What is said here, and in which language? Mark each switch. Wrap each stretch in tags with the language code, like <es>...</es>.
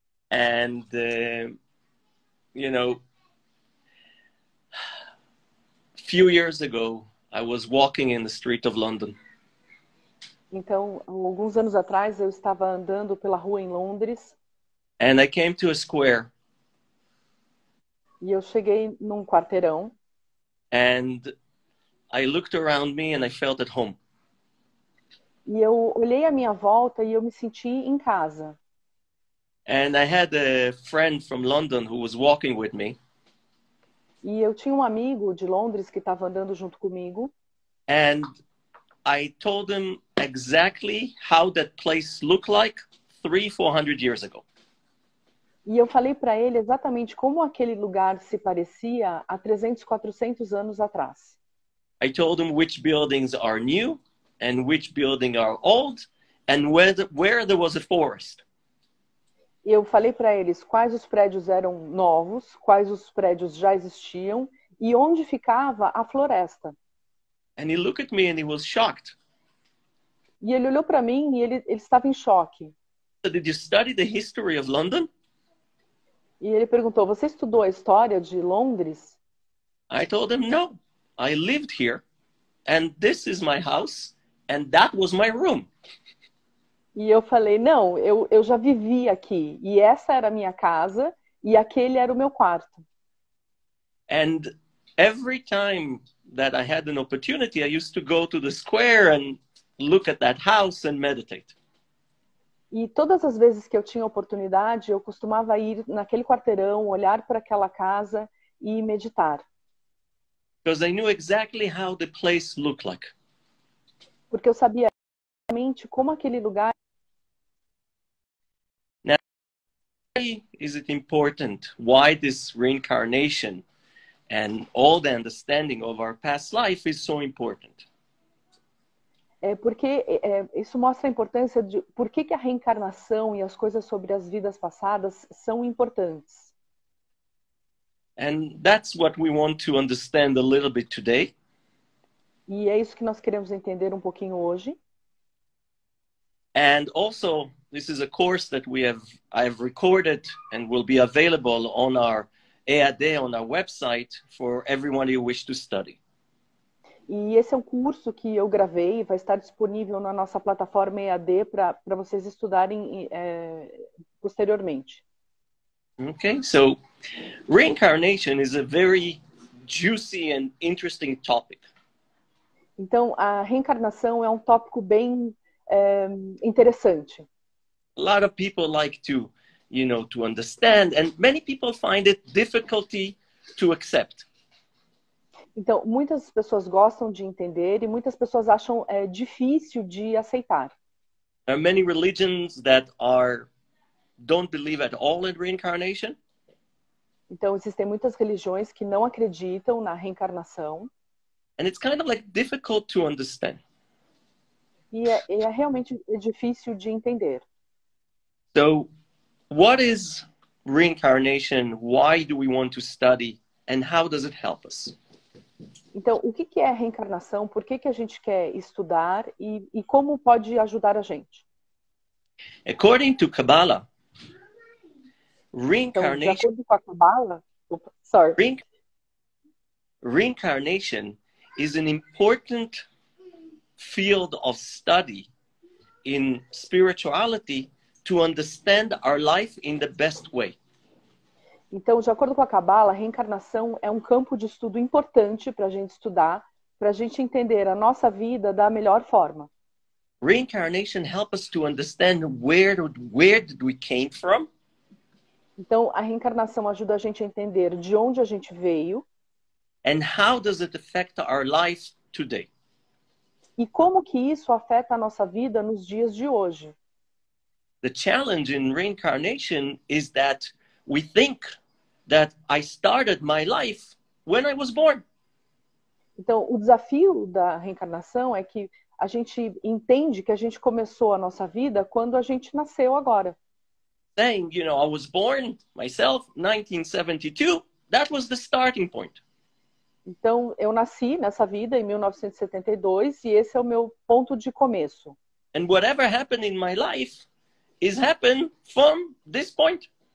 <en>And, you know, few years ago, I was walking in the street of London.</en> <pt>Então, alguns anos atrás, eu estava andando pela rua em Londres.</pt> <en>And I came to a square.</en> <pt>E eu cheguei num quarteirão.</pt> <en>And I looked around me and I felt at home.</en> <pt>E eu olhei à minha volta e eu me senti em casa.</pt> <en>And I had a friend from London who was walking with me.</en> <pt>E eu tinha um amigo de Londres que estava andando junto comigo.</pt> <en>And I told him exactly how that place looked like 300-400 years ago.</en> <pt>E eu falei para ele exatamente como aquele lugar se parecia há 300-400 anos atrás.</pt> <en>I told him which buildings are new. And which building are old, and where there was a forest.</en> <pt>Eu falei para eles quais os prédios eram novos, quais os prédios já existiam e onde ficava a floresta.</pt> <en>And he looked at me and he was shocked.</en> <pt>E ele olhou para mim e ele estava em choque.</pt> <en>So did you study the history of London?</en> <pt>E ele perguntou: você estudou a história de Londres?</pt> <en>I told him no. I lived here, and this is my house. And that was my room.</en> <pt>E eu falei, não, eu já vivi aqui. E essa era a minha casa e aquele era o meu quarto.</pt> <en>And every time that I had an opportunity, I used to go to the square and look at that house and meditate.</en> <pt>E todas as vezes que eu tinha oportunidade, eu costumava ir naquele quarteirão, olhar para aquela casa e meditar.</pt> <en>Because I knew exactly how the place looked like.</en> <pt>Porque eu sabia exatamente como aquele lugar.</pt> <en>Now, why is it important? Why this reincarnation and all the understanding of our past life is so important?</en> <pt>É porque isso mostra a importância de por que a reencarnação e as coisas sobre as vidas passadas são importantes.</pt> <en>And that's what we want to understand a little bit today.</en> <pt>E é isso que nós queremos entender um pouquinho hoje.</pt> <en>And also, this is a course that I have recorded and will be available on our EAD, on our website, for everyone who wish to study.</en> <pt>E esse é um curso que eu gravei, vai estar disponível na nossa plataforma EAD para vocês estudarem posteriormente.</pt> <en>Okay, so reincarnation is a very juicy and interesting topic.</en> <pt>Então, a reencarnação é um tópico bem interessante.</pt> <en>A lot of people like to, you know, to understand, and many people find it difficult to accept.</en> <pt>Então, muitas pessoas gostam de entender e muitas pessoas acham difícil de aceitar.</pt> <en>There are many religions that don't believe at all in reincarnation.</en> <pt>Então, existem muitas religiões que não acreditam na reencarnação.</pt> <en>And it's kind of like difficult to understand.</en> <pt>E é realmente difícil de entender.</pt> <en>So, what is reincarnation? Why do we want to study? And how does it help us?</en> <pt>Então, o que é a reencarnação? Por que a gente quer estudar? E como pode ajudar a gente?</pt> <en>According to Kabbalah, reincarnation...</en> <pt>Então, de acordo com a Kabbalah... Opa,</pt> <en>sorry. Reincarnation... is an important field of study in spirituality to understand our life in the best way.</en> <pt>Então, de acordo com a Kabbalah, a reencarnação é um campo de estudo importante para a gente estudar para a gente entender a nossa vida da melhor forma.</pt> <en>Reincarnation help us to understand where did we came from.</en> <pt>Então, a reencarnação ajuda a gente a entender de onde a gente veio.</pt> <en>And how does it affect our life today?</en> <pt>E como que isso afeta a nossa vida nos dias de hoje?</pt> <en>The challenge in reincarnation is that we think that I started my life when I was born.</en> <pt>Então, o desafio da reencarnação é que a gente entende que a gente começou a nossa vida quando a gente nasceu agora.</pt> <en>Saying, you know, I was born myself 1972, that was the starting point.</en> <pt>Então, eu nasci nessa vida em 1972 e esse é o meu ponto de começo.</pt> <en>And whatever happened in my life is happened from this point.</en>